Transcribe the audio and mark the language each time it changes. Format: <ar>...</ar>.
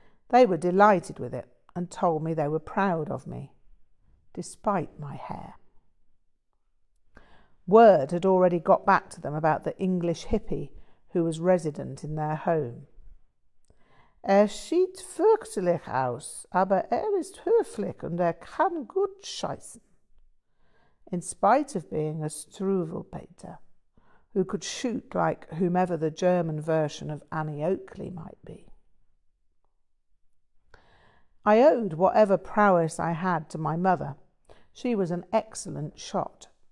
<en>They were delighted with it and told me they were proud of me, despite my hair. Word had already got back to them about the English hippie who was resident in their home.</en> <de>Er sieht fürchterlich aus, aber ist höflich und kann gut scheißen.</de> <en>In spite of being a struwwelpeter, who could shoot like whomever the German version of Annie Oakley might be. I owed whatever prowess I had to my mother. She was an excellent shot.</en>